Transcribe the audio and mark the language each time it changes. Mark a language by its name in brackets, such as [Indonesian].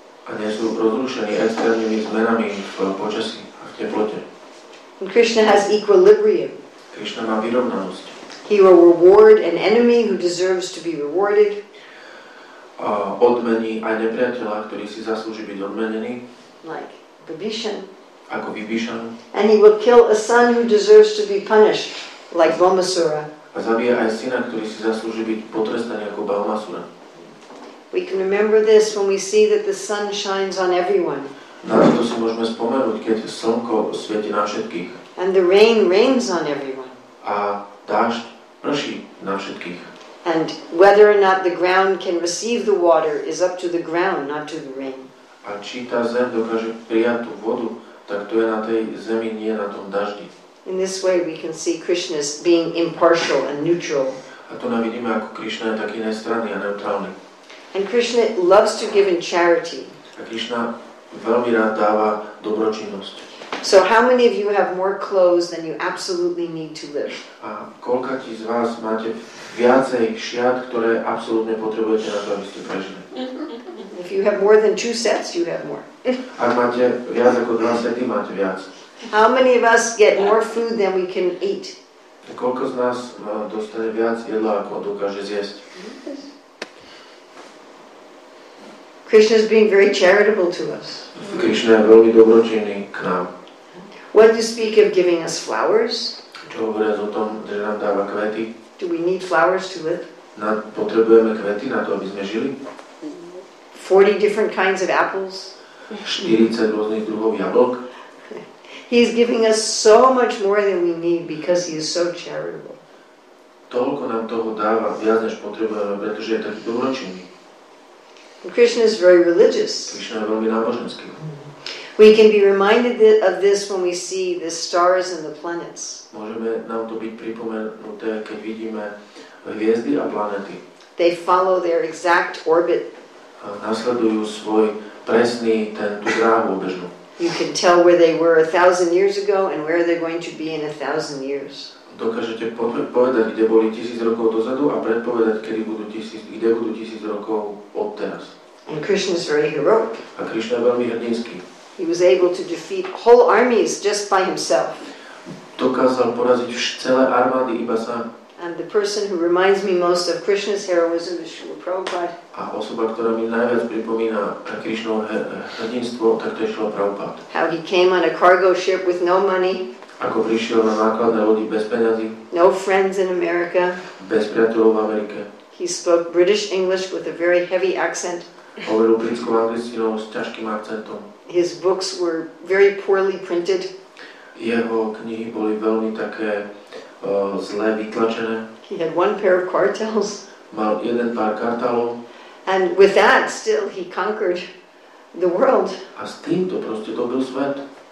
[Slovak] A nie sú rozrušení externými zmenami v počasí a v teplote. [English] And Krishna has equilibrium. [Slovak] Krishna má vyrovnanosť. [English] He will reward an enemy who deserves to be rewarded. [Slovak] Odmení aj nepriateľa, ktorý si zaslúži byť odmenený. [English] Like Vibhishan. [Slovak] Ako Vibhishan. [English] And he will kill a son who deserves to be punished, like Bhumasura. [Slovak] A zabije aj syna, ktorý si zaslúži byť potrestaný ako Bhumasura. [English] We can remember this when we see that the sun shines on everyone. [Slovak] Na to si môžeme spomenúť, keď slnko svieti na všetkých. [English] And the rain rains on everyone. [Slovak] A dážď prší na všetkých. [English] And whether or not the ground can receive the water is up to the ground, not to the rain. [Slovak] A či tá zem dokáže prijať tú vodu, tak to je na tej zemi, nie na tom daždi. [English] In this way we can see Krishna as being impartial and neutral. [Slovak] A to na vidíme, ako Krishna je taký nestranný a neutrálny. [English] And Krishna loves to give in charity. [Slovak] A Krishna veľmi rád dáva dobročinnosť. [English] So how many of you have more clothes than you absolutely need to live? [Slovak] A koľko ti z vás máte viacej šiat, ktoré absolútne potrebujete na to, aby ste prežili? [English] If you have more than two sets, you have more. [Slovak] Ak máte viac ako dva sety, máte viac. [English] How many of us get more food than we can eat? [Slovak] A koľko z nás dostane viac jedla, ako dokáže zjesť? [English] Krishna is being very charitable to us. [Slovak] Krishna je veľmi dobročinný k nám. [English] What do you speak of giving us flowers? [Slovak] Čo hovoríš o tom, že nám dáva kvety? [English] Do we need flowers to live? [Slovak] Potrebujeme kvety na to, aby sme žili? [English] 40 different kinds of apples. [Slovak] 40 rôznych druhov jablok. [English] He is giving us so much more than we need because he is so charitable. [Slovak] toľko nám toho dáva, viac než potrebujeme, pretože je taký dobročinný. [English] Krishna is very religious. [Slovak] Krishna je veľmi náboženský. [English] We can be reminded of this when we see the stars and the planets. [Slovak] Môžeme nám to byť pripomenuté, keď vidíme hviezdy a planety. [English] They follow their exact orbit. [Slovak] Nasledujú svoj presný tú dráhu obežnú. [English] You can tell where they were 1,000 years ago and where they're going to be in 1,000 years. [Slovak] Dokážete povedať, kde boli 1,000 rokov dozadu a predpovedať, kde budú 1,000 rokov od teraz. [English] And Krishna is very heroic. [Slovak] A Krishna je veľmi hrdinský. [English] He was able to defeat whole armies just by himself. [Slovak] Dokázal poraziť celé armády iba sám. [English] And the person who reminds me most of Krishna's heroism is Srila Prabhupada. [Slovak] A osoba, ktorá mi najviac pripomína Krishnovo hrdinstvo, tak to je Srila Prabhupada. [English] How he came on a cargo ship with no money. [Slovak] Ako prišiel na nákladné lodi bez peňazí. [English] No friends in America. [Slovak] Bez priateľov v Amerike. [English] He spoke British English with a very heavy accent. [Slovak] Hovoril britskou angličtinou s ťažkým akcentom. [English] His books were very poorly printed. [Slovak] Jeho knihy boli veľmi také zle vytlačené. [English] He had one pair of cartels. [Slovak] Mal jeden pár kartelov. [English] And with that still he conquered the world. [Slovak] A s týmto proste dobil svet.